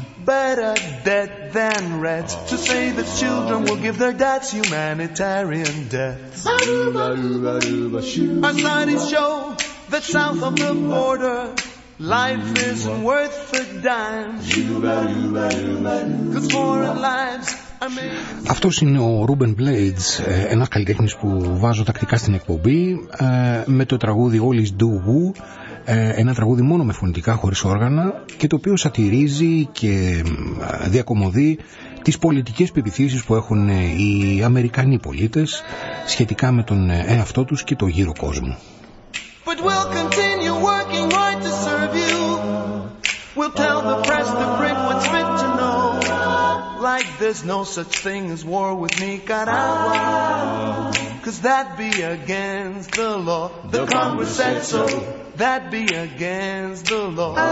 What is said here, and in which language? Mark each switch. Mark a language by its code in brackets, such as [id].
[en] Better dead than rats. To say that children will give their dads humanitarian deaths. Our studies show that south of the border, life isn't worth a dime. Cause foreign lives. [el] Αυτός είναι ο Ruben Blades, ένας καλλιτέχνης που βάζω τακτικά στην εκπομπή, με το τραγούδι All Is Do Woo, ένα τραγούδι μόνο με φωνητικά χωρίς όργανα, και το οποίο σατιρίζει και διακομωδεί τις πολιτικές πεπιθήσεις που έχουν οι Αμερικανοί πολίτες σχετικά με τον εαυτό τους και το γύρο κόσμο. [en] But we'll continue working hard to serve you. We'll tell the press to bring what's meant to know. Like there's no such thing as war with Nicaragua, cause that'd be against the law. The Congress said so, that'd be against the law.